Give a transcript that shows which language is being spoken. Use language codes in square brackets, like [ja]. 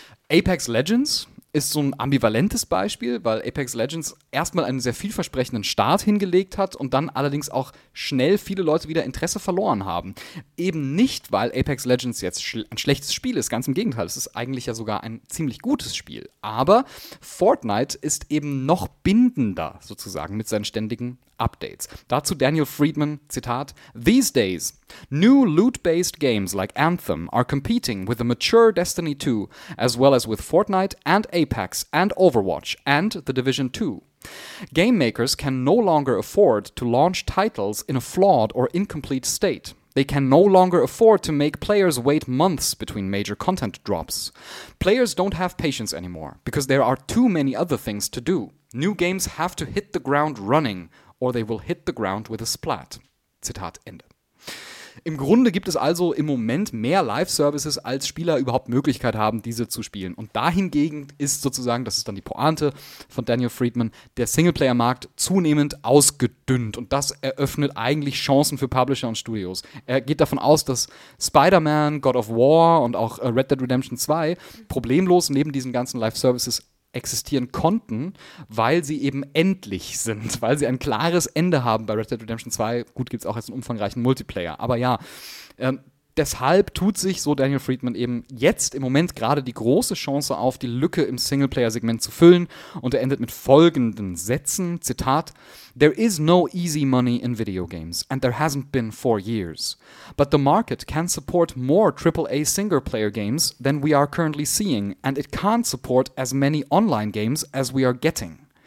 [de] Apex Legends ist so ein ambivalentes Beispiel, weil Apex Legends erstmal einen sehr vielversprechenden Start hingelegt hat und dann allerdings auch schnell viele Leute wieder Interesse verloren haben. Eben nicht, weil Apex Legends jetzt ein schlechtes Spiel ist, ganz im Gegenteil, es ist eigentlich ja sogar ein ziemlich gutes Spiel. Aber Fortnite ist eben noch bindender sozusagen mit seinen ständigen Updates. Dazu Daniel Friedman, Zitat: [en] "These days, new loot-based games like Anthem are competing with a mature Destiny 2, as well as with Fortnite and Apex and Overwatch and The Division 2. Game makers can no longer afford to launch titles in a flawed or incomplete state. They can no longer afford to make players wait months between major content drops. Players don't have patience anymore, because there are too many other things to do. New games have to hit the ground running, or they will hit the ground with a splat." [de] Zitat Ende. Im Grunde gibt es also im Moment mehr Live-Services, als Spieler überhaupt Möglichkeit haben, diese zu spielen. Und dahingegen ist sozusagen, das ist dann die Pointe von Daniel Friedman, der Singleplayer-Markt zunehmend ausgedünnt. Und das eröffnet eigentlich Chancen für Publisher und Studios. Er geht davon aus, dass Spider-Man, God of War und auch Red Dead Redemption 2 problemlos neben diesen ganzen Live-Services existieren konnten, weil sie eben endlich sind, weil sie ein klares Ende haben bei Red Dead Redemption 2. Gut, gibt es auch jetzt einen umfangreichen Multiplayer. Aber ja, deshalb tut sich, so Daniel Friedman, eben jetzt im Moment gerade die große Chance auf, die Lücke im Singleplayer-Segment zu füllen. Und er endet mit folgenden Sätzen. Zitat: [en] "There is no easy money in video games, and there hasn't been for years. But the market can support more AAA single-player games than we are currently seeing, and it can't support as many online games as we are getting.